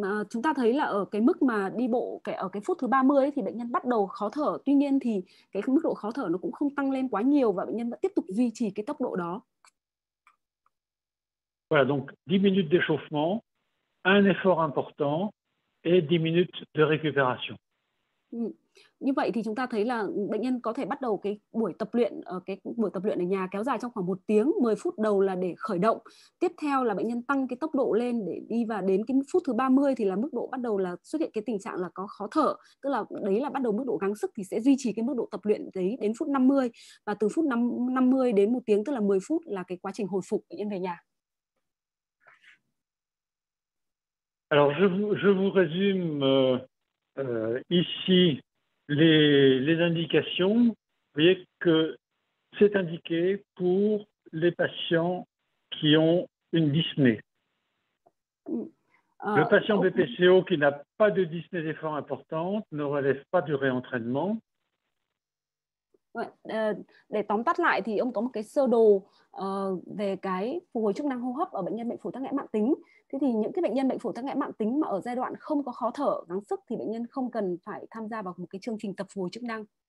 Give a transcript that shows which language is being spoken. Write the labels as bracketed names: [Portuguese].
[Vietnamese] Chúng ta thấy là ở cái mức mà đi bộ ở cái phút thứ 30 ấy, thì bệnh nhân bắt đầu khó thở, tuy nhiên thì cái mức độ khó thở nó cũng không tăng lên quá nhiều và bệnh nhân vẫn tiếp tục duy trì cái tốc độ đó. [French] Voilà, donc 10 minutes d'échauffement, un effort important et 10 minutes de récupération. [Vietnamese] Như vậy thì chúng ta thấy là bệnh nhân có thể bắt đầu cái buổi tập luyện ở nhà kéo dài trong khoảng 1 tiếng 10 phút đầu là để khởi động. Tiếp theo là bệnh nhân tăng cái tốc độ lên để đi vào đến cái phút thứ 30 thì là mức độ bắt đầu là xuất hiện cái tình trạng là có khó thở, tức là đấy là bắt đầu mức độ gắng sức, thì sẽ duy trì cái mức độ tập luyện đấy đến phút 50, và từ phút 50 đến 1 tiếng tức là 10 phút là cái quá trình hồi phục bệnh nhân về nhà. [French] Alors je vous résume ici les indications. Vous voyez que c'est indiqué pour les patients qui ont une dyspnée. Le patient BPCO qui n'a pas de dyspnée d'effort importante ne relève pas du réentraînement. [Vietnamese] Để tóm tắt lại thì ông có một cái sơ đồ về cái phục hồi chức năng hô hấp ở bệnh nhân bệnh phổi tắc nghẽn mạn tính. Thế thì những cái bệnh nhân bệnh phổi tắc nghẽn mạn tính mà ở giai đoạn không có khó thở, gắng sức thì bệnh nhân không cần phải tham gia vào một cái chương trình tập phục hồi chức năng.